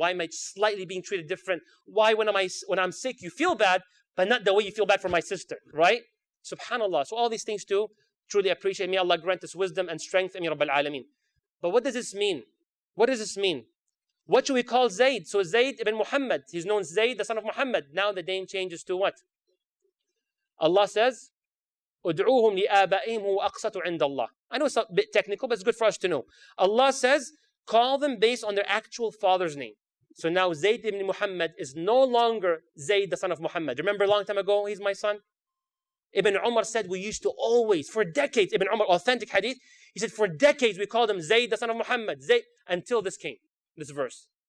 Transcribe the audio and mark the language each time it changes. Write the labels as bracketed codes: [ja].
[en] Why am I slightly being treated different? Why when I'm sick, you feel bad, but not the way you feel bad for my sister, right? SubhanAllah. So all these things too, truly appreciate. May Allah grant us wisdom and strength. Amin Rabbil Alameen. But what does this mean? What does this mean? What should we call Zayd? So Zayd ibn Muhammad, he's known as Zayd, the son of Muhammad. Now the name changes to what? Allah says, [ar] ادعوهم لآبائهم هو أقسط عند الله. [en] I know it's a bit technical, but it's good for us to know. Allah says, call them based on their actual father's name. So now Zayd ibn Muhammad is no longer Zayd, the son of Muhammad. Remember a long time ago, he's my son? Ibn Umar said, we used to always, for decades, Ibn Umar, authentic hadith, he said, for decades, we called him Zayd, the son of Muhammad, Zayd, until this came, this verse.